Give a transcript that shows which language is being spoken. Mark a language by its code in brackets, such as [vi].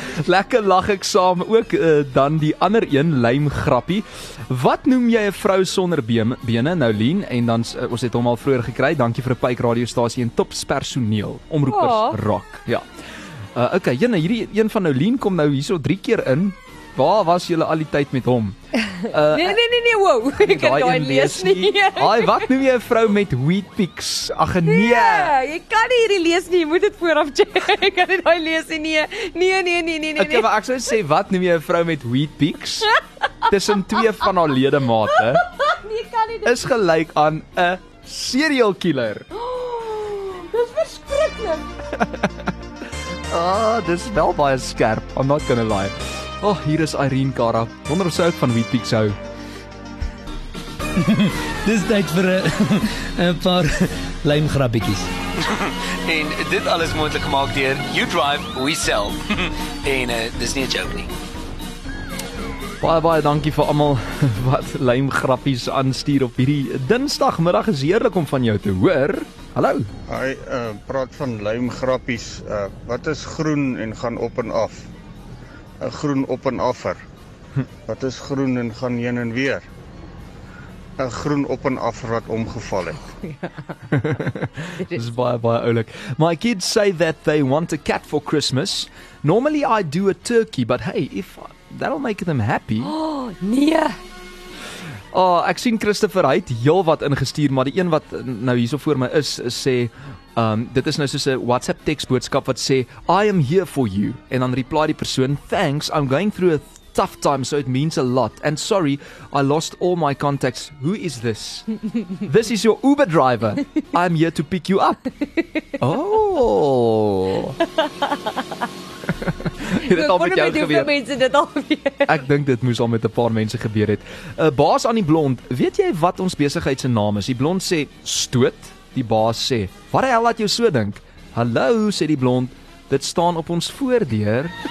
[af] Lekker lag ek saam ook dan die ander een lui grappie. Wat noem jy 'n vrou sonder bene, Nolien? En dan ons het hom al vroeër gekry. Dankie vir 'n Pyk radiostasie en topspersoneel. Omroepers rock. Ja. Okay, jene, hierdie een van Nolien kom nou hierso 3 keer in. Waar was julle al die tyd met hom? Nee, wow. Ek kan daai lees nie. Haai, wat noem jy 'n vrou met wheat peaks? Ag nee. Yeah, jy kan nie hierdie lees nie. Jy moet dit vooraf check. Ek kan dit daai lees nie. Nee. Okay, maar ek sou sê wat noem jy 'n vrou met wheat peaks? Tussen twee van haar ledemate. Nee, kan nie. Is gelyk aan 'n serial killer. Oh, dis verskriklik. Ah, dis wel baie skerp. [en] I'm not gonna lie. [af] Oh, hier is Irene Kara. Wonder of sy ook van Wheat Peaks hou. Dis tyd vir 'n paar lame grappietjies. En dit alles moontlik gemaak deur You Drive, We Sell. En dis nie 'n joke nie. Baie dankie vir almal wat lame grappies aanstuur op hierdie dinsdagmiddag. Is heerlik om van jou te hoor. Hallo. Hi, praat van lame grappies. Wat is groen en gaan op en af? 'n Groen op en afer. Wat is groen en gaan heen en weer? 'n Groen op en afer wat omgeval het. Dit is baie oulik. [en] My kids say that they want a cat for Christmas. Normally I do a turkey, but hey, if that'll make them happy. [af] Oh, nee. Oh, ek sien Christopher het heel wat ingestuur, maar die een wat nou hierso voor my is, sê dit is nou soos 'n WhatsApp teksboodskap wat sê [en] I am here for you, [af] en dan reply die persoon [en] thanks, I'm going through a tough time, so it means a lot. And sorry, I lost all my contacts. Who is this? This is your Uber driver. I'm here to pick you up. Oh. [af] Dit het al met jou gebeur. Hoeveel mense dit al weer? Ek dink dit moes al met 'n paar mense gebeur het. Baas aan die blond, weet jy wat ons besigheid se naam is? Die blond sê, stoot. Die baas sê, wat die hel laat jou so dink? Hallo, sê die blond. Dit staan op ons voordeur.